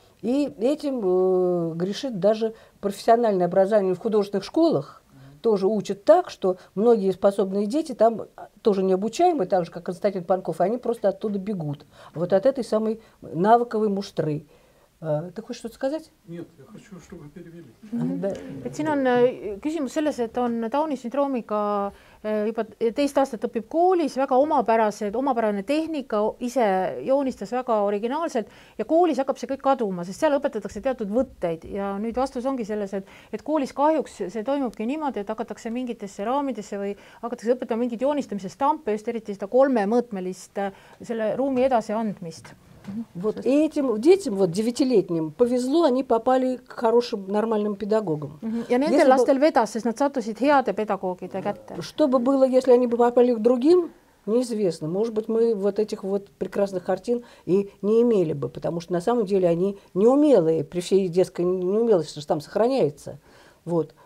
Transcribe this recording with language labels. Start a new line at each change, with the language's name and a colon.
Russian: И этим грешит даже профессиональное образование в художественных школах. Тоже учат так, что многие способные дети там тоже не обучаемые, так же, как Константин Панков, они просто оттуда бегут. Вот от этой самой навыковой муштры. Ты хочешь что-то сказать? Нет, я хочу, чтобы перевели.
Estonian: Siin on küsimus selles, et on Downi sündroomiga juba teist aastat õpib koolis väga omapärased, omapärane tehnika ise joonistas väga originaalselt ja koolis hakkab see kõik kaduma, sest seal õpetatakse teatud võtteid ja nüüd vastus ongi selles, et koolis kahjuks see toimubki niimoodi, et hakatakse mingitesse raamidesse või hakatakse õpetama mingit joonistamise stampe, just eriti seda kolmemõõtmelist selle ruumi edasi andmist.
Russian: Вот и этим детям, вот девятилетним, повезло, они попали к хорошим, нормальным педагогам. Я не знаю, ластель веда, сестра Цатусит, хиаты педагоги, так это. Что бы было, если они бы попали к другим, неизвестно. Может быть, мы вот этих вот прекрасных картин и не имели бы, потому что на самом деле они неумелые, при всей детской неумелости, что там сохраняется. Вот.